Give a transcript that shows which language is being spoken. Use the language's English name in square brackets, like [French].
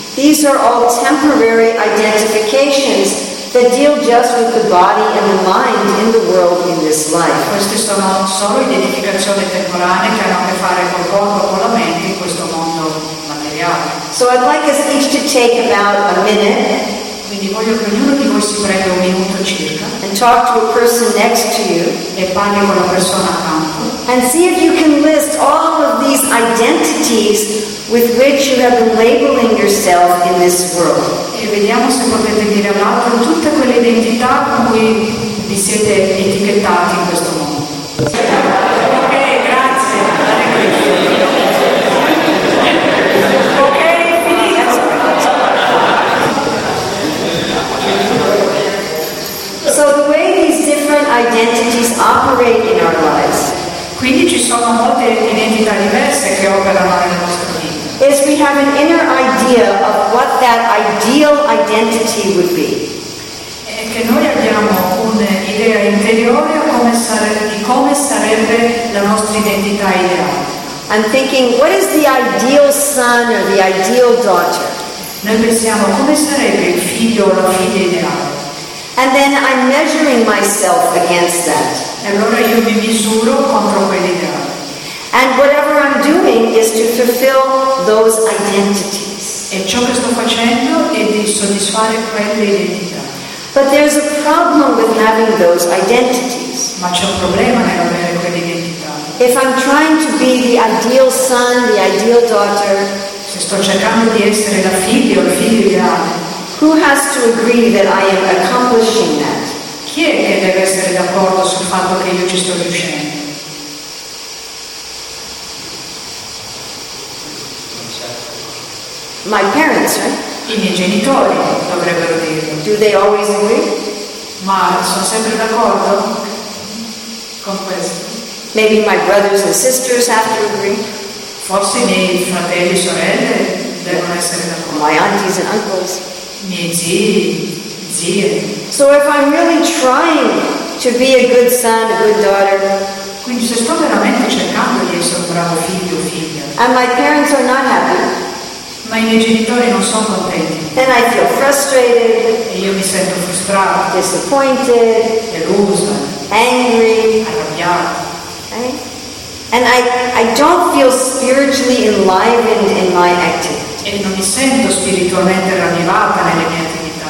[English] These are all temporary identifications that deal just with the body and the mind in the world in this life. [Italian] Queste sono solo identificazioni temporanee che hanno a che fare col corpo, con la mente in questo mondo materiale. [English] So I'd like us each to take about a minute. [Italian] Quindi voglio che ognuno di voi si prenda un minuto circa. [English] And talk to a person next to you. [Italian] E parli con la persona accanto. [English] And see if you can list all of these identities with which you have been labeling yourself in this world. [Italian] E vediamo se potete dire all'altro tutte quelle identità con cui vi siete etichettati in questo mondo. Ok, grazie. Ok, finita. [English] So the way these different identities operate in our lives. [Italian] Quindi ci sono molte identità diverse che operano nel nostro. [English] Is we have an inner idea of what that ideal identity would be. [Italian] E che noi abbiamo un'idea interiore di come sarebbe la nostra identità ideale. [English] I'm thinking, what is the ideal son or the ideal daughter? [Italian] Noi pensiamo, come sarebbe il figlio o la figlia ideale? [English] And then I'm measuring myself against that. [Italian] E allora io mi misuro contro quell'ideale. [English] And whatever I'm doing is to fulfill those identities. [Italian] E ciò che sto facendo è di soddisfare quelle identità. [English] But there's a problem with having those identities. [Italian] Ma c'è un problema nell'avere quelle identità. [English] If I'm trying to be the ideal son, the ideal daughter, [Italian] se sto cercando di essere la figlia o il figlio ideale, [English] who has to agree that I am accomplishing that? [Italian] Chi è che deve essere d'accordo sul fatto che io ci sto riuscendo? [English] My parents, right? [Italian] I miei genitori dovrebbero dirlo. [English] Do they always agree? [Italian] Ma sono sempre d'accordo con questo. [English] Maybe my brothers and sisters have to agree. [Italian] Forse i miei fratelli e sorelle devono essere d'accordo. [English] My aunties and uncles. [Italian] Miei zii, zie. [English] So if I'm really trying to be a good son, a good daughter. [Italian] Quindi se sto veramente cercando di essere un bravo figlio o figlia. [English] And my parents are not happy. [Italian] Ma i miei genitori non sono contenti. [English] Then I feel frustrated. [Italian] E io mi sento frustrato. [English] Disappointed. [Italian] Deluso. [English] Angry. [Italian] Arrabbiato. [English] Right? And I don't feel spiritually enlivened in my activity. [Italian] E non mi sento spiritualmente ravvivata nelle mie attività.